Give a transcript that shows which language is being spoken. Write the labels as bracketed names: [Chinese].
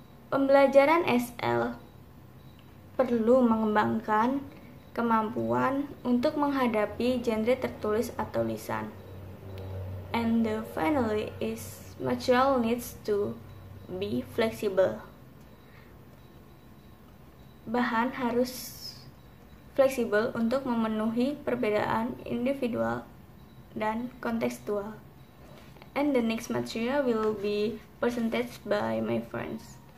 [Indonesian] Pembelajaran SL perlu mengembangkan kemampuan untuk menghadapi genre tertulis atau lisan. [English] And the finally is material needs to be flexible. [Indonesian] Bahan harus fleksibel untuk memenuhi perbedaan individual dan kontekstual. [English] And the next material will be presented by my friends.